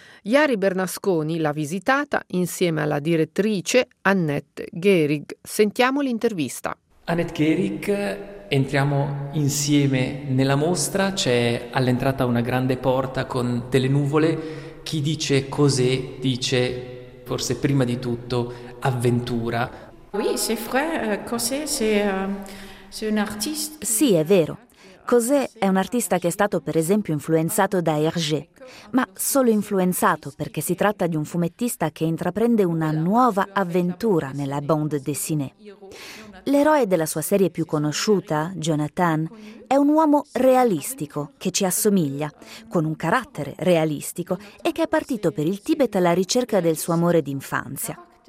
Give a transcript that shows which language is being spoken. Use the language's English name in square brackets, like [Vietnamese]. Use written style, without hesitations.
[Italian] Iari Bernasconi l'ha visitata insieme alla direttrice Annette Gehrig. Sentiamo l'intervista. Annette Gehrig, entriamo insieme nella mostra. C'è all'entrata una grande porta con delle nuvole. Chi dice Cosé dice forse prima di tutto avventura. [French] Oui, c'est vrai, Cosé c'est un artiste. [Italian] Sì, è vero. Cosé è un artista che è stato per esempio influenzato da Hergé, ma solo influenzato perché si tratta di un fumettista che intraprende una nuova avventura nella bande dessinée. L'eroe della sua serie più conosciuta, Jonathan, è un uomo realistico che ci assomiglia, con un carattere realistico e che è partito per il Tibet alla ricerca del suo amore d'infanzia.